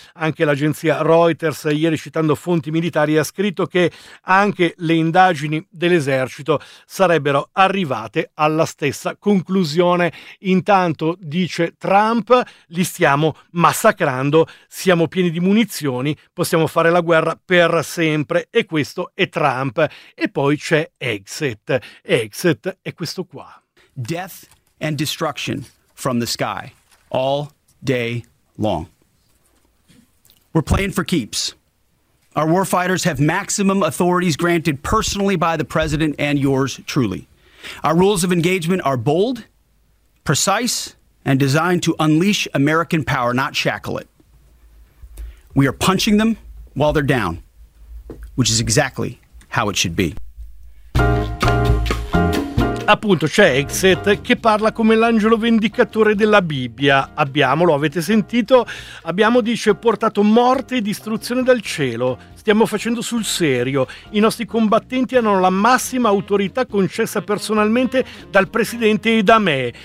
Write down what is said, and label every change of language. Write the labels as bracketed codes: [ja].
[it] Anche l'agenzia Reuters, ieri citando fonti militari, ha scritto che anche le indagini dell'esercito sarebbero arrivate alla stessa conclusione. Intanto, dice Trump, li stiamo massacrando, siamo pieni di munizioni, possiamo fare la guerra per sempre, e questo è Trump. E poi c'è Exit è questo qua. [en] Death and destruction from the sky all day long. We're playing for keeps. Our warfighters have maximum authorities granted personally by the president and yours truly. Our rules of engagement are bold, precise, and designed to unleash American power, not shackle it. We are punching them while they're down, which is exactly how it should be. [it] Appunto, c'è Exet che parla come l'angelo vendicatore della Bibbia. Abbiamo, lo avete sentito, abbiamo, dice, portato morte e distruzione dal cielo. Stiamo facendo sul serio. I nostri combattenti hanno la massima autorità concessa personalmente dal presidente e da me.